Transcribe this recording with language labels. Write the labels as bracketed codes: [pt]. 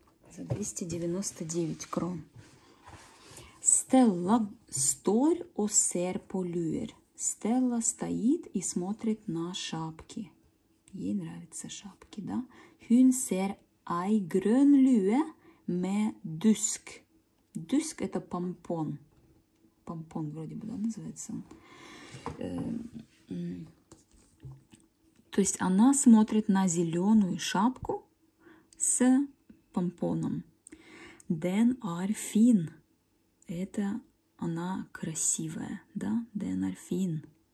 [ru] За 299 крон. [no] Стелла стор о сер по люер. [ru] Стелла стоит и смотрит на шапки. Ей нравятся шапки, да? [no] Hun ser ei grønn lue med dusk. [ru] Dusk – это помпон. Помпон вроде бы, да, называется. То есть она смотрит на зеленую шапку с помпоном. [no] Den er fin. [ru] Это она красивая, да? [no] Den er fin.